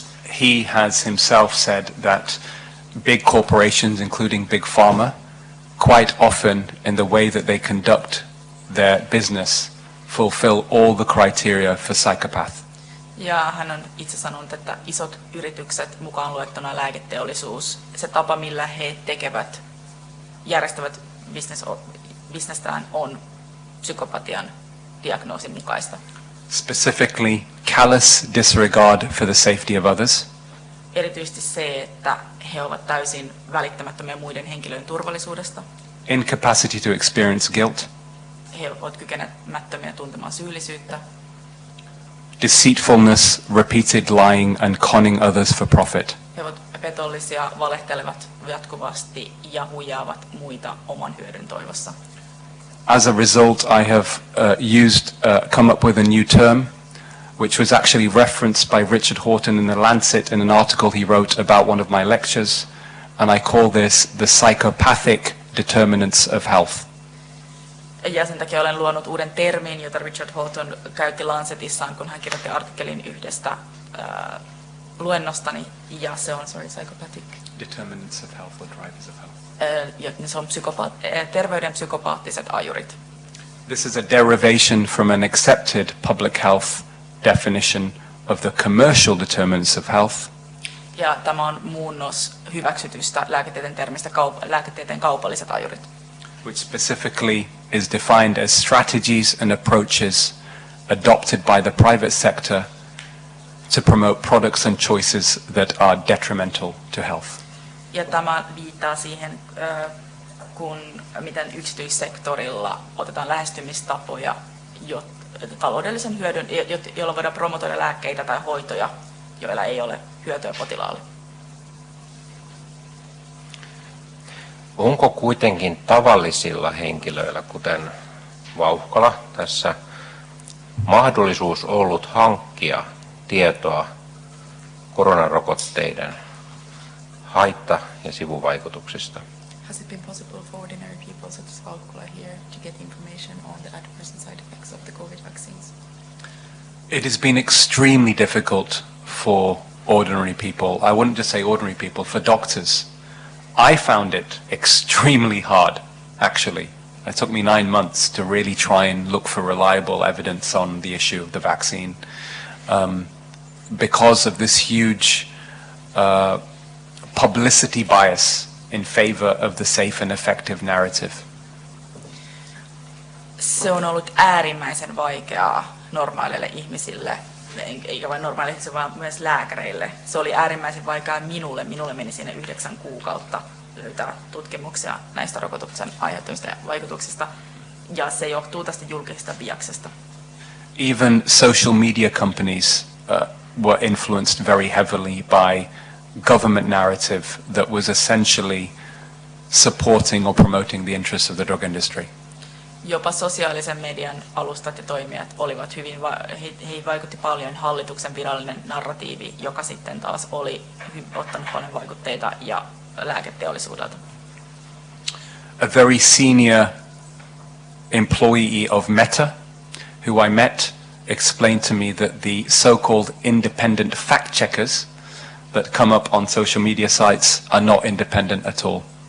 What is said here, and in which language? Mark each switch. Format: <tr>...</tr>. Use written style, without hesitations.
<en>He has himself said that big corporations, including Big Pharma, quite often in the way that they conduct their business fulfill all the criteria for psychopath.</en> <fi>Ja hän on itse sanonut, että isot yritykset, mukaan luettuna lääketeollisuus, se tapa millä he tekevät, järjestävät bisnestään on psykopatian diagnoosin mukaista.</fi> <en>Specifically, callous disregard for the safety of others.</en> <fi>Erityisesti se, että he ovat täysin välittämättömiä muiden henkilöiden turvallisuudesta.</fi> <en>Incapacity to experience guilt.</en> <fi>He ovat kykenemättömiä tuntemaan syyllisyyttä.</fi> <en>Deceitfulness, repeated lying and conning others for profit.</en> <fi>He ovat petollisia, valehtelevat jatkuvasti ja huijaavat muita oman hyödyn toivossa.</fi> <en>As a result, I have come up with a new term, which was actually referenced by Richard Horton in The Lancet in an article he wrote about one of my lectures, and I call this the psychopathic determinants of health.</en> <fi>Ja sen takia olen luonut uuden termin, jota Richard Horton käytti Lancetissaan, kun hän kirjoitti artikkelin yhdestä luennostani, ja se on</fi> <en>psychopathic determinants of health or drivers of health.</en> <fi>Se on terveyden psykopaattiset ajurit.</fi> <en>This is a derivation from an accepted public health definition of the commercial determinants of health.</en> <fi>Ja tämä on muunnos hyväksytystä lääketieteen kaupalliset ajurit.</fi> <en>Which specifically is defined as strategies and approaches adopted by the private sector to promote products and choices that are detrimental to health.</en> <fi>Ja tämä viittaa siihen, kun miten yksityissektorilla otetaan lähestymistapoja taloudellisen hyödyn, jolla voidaan promotoida lääkkeitä tai hoitoja, joilla ei ole hyötyä potilaalle. Onko kuitenkin tavallisilla henkilöillä, kuten Vauhkola tässä, mahdollisuus ollut hankkia tietoa koronarokotteiden haitta- ja sivuvaikutuksista?</fi> <en>Has it been possible for ordinary people such as Valkula here to get information on the adverse and side effects of the COVID vaccines? It has been extremely difficult for ordinary people. I wouldn't just say ordinary people, for doctors. I found it extremely hard, actually. It took me 9 months to really try and look for reliable evidence on the issue of the vaccine. Because of this huge publicity bias in favor of the safe and effective narrative.</en> <fi>Se on ollut äärimmäisen vaikeaa normaaleille ihmisille, eikä vain normaaleille, vaan myös lääkäreille. Se oli äärimmäisen vaikeaa minulle. Minulle meni siinä 9 kuukautta löytää tutkimuksia näistä rokotuksen aiheuttamista vaikutuksista, ja se johtuu tästä julkisesta biaksesta.</fi> <en>Even social media companies were influenced very heavily by government narrative that was essentially supporting or promoting the interests of the drug industry.</en> <fi>Jopa sosiaalisen median alustat ja toimijat olivat hyvin, he vaikutti paljon hallituksen virallinen narratiivi, joka sitten taas oli ottanut paljon vaikutteita ja lääketeollisuudelta.</fi> <en>A very senior employee of Meta, who I met, explained to me that the so-called independent fact checkers that come up on social media sites are not independent at all.</en>